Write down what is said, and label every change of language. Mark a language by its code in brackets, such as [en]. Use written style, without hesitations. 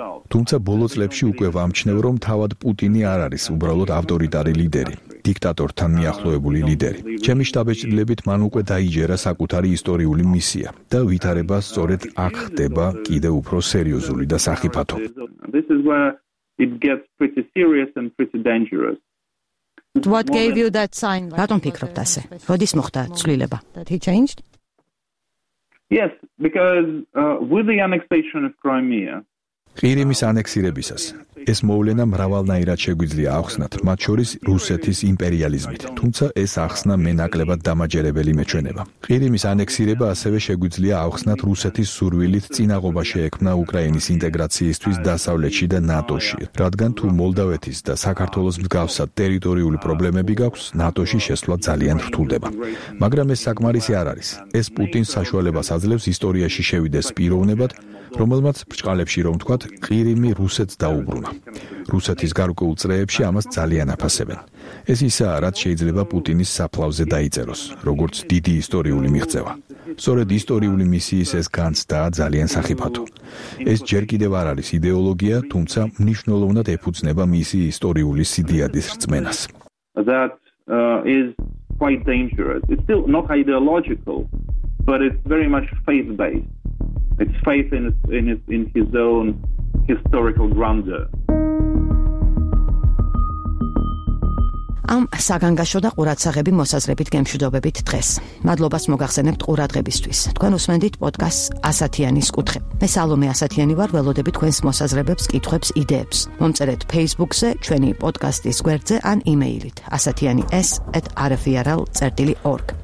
[ka] თუმცა ბოლო წლებში უკვე ვამჩნევ, რომ თავად პუტინი არ არის უბრალოდ ავტორიტარული ლიდერი, დიქტატორთან მიახლოებული ლიდერი. ჩემი შტაბეჭდილებით მან უკვე დაიჯერა საკუთარი ისტორიული მისია და ვითარება სწორედ აქ ხდება კიდევ უფრო სერიოზული და სახიფათო. [en] This is where it gets pretty serious and pretty dangerous. What gave you that sign? [ka] რატომ ფიქრობთ ასე? როდის მოხდა ცვლილება? [en] He changed? Yes, because with the annexation of Crimea. [ka] ყირიმის ანექსირებისას ეს მოვლენა მრავალნაირად შეგვიძლია ახსნათ, მათ შორის რუსეთის იმპერიალიზმით, თუმცა ეს ახსნა მე ნაკლებად დამაჯერებელი მეჩვენება. ყირიმის ანექსირება ასევე შეგვიძლია ახსნათ რუსეთის სურვილით წინაღობა შეექმნა უკრაინის ინტეგრაციისთვის დასავლეთში და ნატოში, რადგან თუ მოლდავეთის და საქართველოს მსგავსად ტერიტორიული პრობლემები გაქვს, ნატოში შესვლა ძალიან რთულდება. მაგრამ ეს საკმარისი არ არის. ეს პუტინს საშუალებას აძლევს ისტორიაში შევიდეს პიროვნებად, რომელმაც ბრჭყალებში რომ ვთქვათ, ყირიმი რუსეთს დაუბრუნა. რუსეთის გარკვეულ წრეებში ამას ძალიან აფასებენ. ეს ისაა, რაც შეიძლება პუტინის საფლავზე დაიწეროს, როგორც დიდი ისტორიული მიღწევა. სწორედ ისტორიული მისიის ეს განცდაა ძალიან სახიფათო. ეს ჯერ კიდევ არ არის იდეოლოგია, თუმცა მნიშვნელოვნად ეფუძნება მისი ისტორიული სიდიადის რწმენას. [en] That is quite dangerous. It's still not ideological, but it's very much faith-based. It's faith in his own historical grandeur. [ka] ამ საგანგაშო და ყურადსაღები მოსაზრებით გემშვიდობებით დღეს. მადლობას მოგახსენებთ ყურადღებისთვის. თქვენ უსმენთ პოდკასტ ასათიანის კუთხე. მე სალომე ასათიანი ვარ, ველოდები თქვენს მოსაზრებებს, კითხვებს, იდეებს. მომწერეთ Facebook-ზე, ჩვენი პოდკასტის გვერდზე ან იმეილით asatiani@rfrl.org.